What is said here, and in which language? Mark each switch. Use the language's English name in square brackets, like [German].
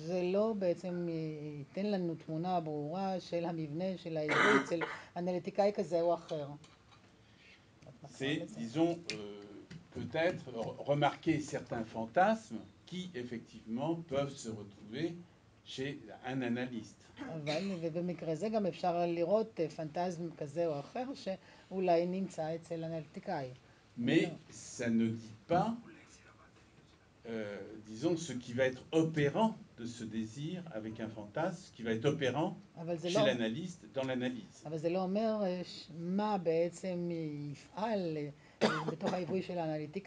[Hebrew] זה לא בעצם ייתן לנו תמונה ברורה של המבנה של העיווי אצל אנליטיקאי כזה או אחר. [French] C'est, disons, peut-être remarquer certains fantasmes qui effectivement peuvent se retrouver chez un analyste. [Hebrew] אבל ובמקרה זה גם אפשר לראות פנטזם כזה או אחר שאולי נמצא אצל אנליטיקאי. [French] Mais ça ne dit pas, disons, ce qui va être opérant de ce désir avec un fantasme, qui va être opérant chez l'analyste, dans l'analyse. Mais ça ne dit pas ce qui va être opérant dans l'analyse de l'analytique.